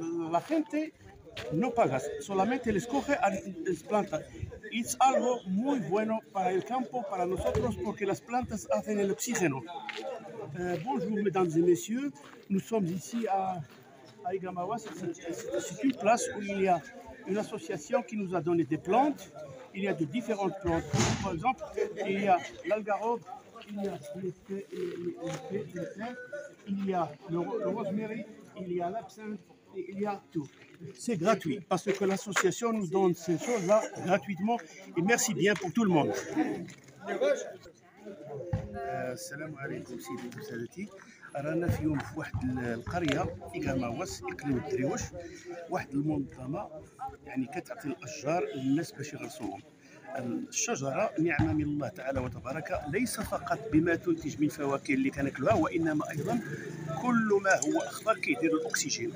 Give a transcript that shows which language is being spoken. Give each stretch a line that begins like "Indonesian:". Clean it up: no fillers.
Spanish: La gente no paga, solamente les coge y les planta. Es algo muy bueno para el campo, para nosotros, porque las plantas hacen el oxígeno.
French: Bonjour, mesdames et messieurs. Nous sommes ici à Igamawas. C'est une place où il y a une association qui nous a donné des plantes. Il y a de différentes plantes. Par exemple, il y a l'algarrobe. Il y a le rosemary, il y a l'absinthe, il y a tout. C'est gratuit parce que l'association nous donne ces choses-là gratuitement. Et merci bien pour tout le monde.
Arabic: السلام عليكم سيدي وسادتي. رانا في يوم في واحد القريه إيغاماواس اقليم الدريوش، واحد المنظمه يعني كتعطي الاشجار للناس باش يغرسوهم. الشجرة نعمة من الله تعالى وتبارك، ليس فقط بما تنتج من فواكه اللي كناكلوها، وإنما أيضا كل ما هو أخضر كيدير الأكسجين.